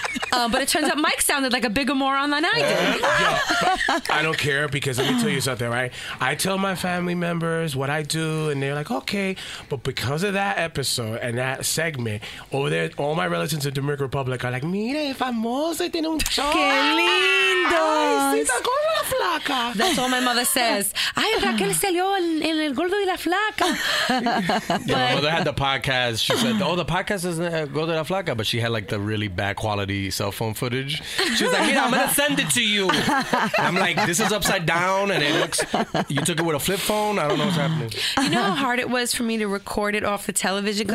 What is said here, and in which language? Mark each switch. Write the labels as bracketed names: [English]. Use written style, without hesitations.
[English] but it turns out Mike sounded like a bigger moron than I did. I don't care because let me tell you something, right? I tell my family members what I do and they're like, okay. But because of that episode and that segment, over there, all my relatives in Dominican Republic are like, [Spanish] mire, famosa, tiene un chorro. Qué lindo. Ay, si, está con la flaca. [English] That's all my mother says. [Spanish] Ay, Raquel salió en El Gordo y la Flaca. [English] My mother had the podcast. She said, the podcast is El Gordo y la Flaca, but she had the really bad quality cell phone footage. She was like, here, I'm gonna send it to you. I'm like, this is upside down and it looks, you took it with a flip phone. I don't know what's happening. You know how hard it was for me to record it off the television?